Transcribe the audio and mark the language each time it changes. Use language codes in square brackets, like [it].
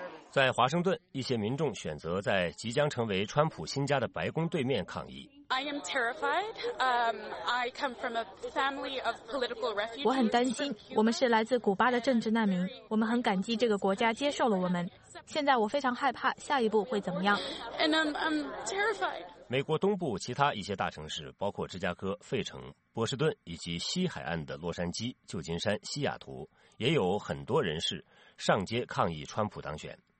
[zh] 在华盛顿，一些民众选择在即将成为川普新家的白宫对面抗议。 [en] I am terrified. I come from a family of political refugees. [zh] 我很担心，我们是来自古巴的政治难民，我们很感激这个国家接受了我们。现在我非常害怕下一步会怎么样。 [en] And I'm terrified. [zh] 美国东部其他一些大城市，包括芝加哥、费城、波士顿以及西海岸的洛杉矶、旧金山、西雅图，也有很多人士上街抗议川普当选。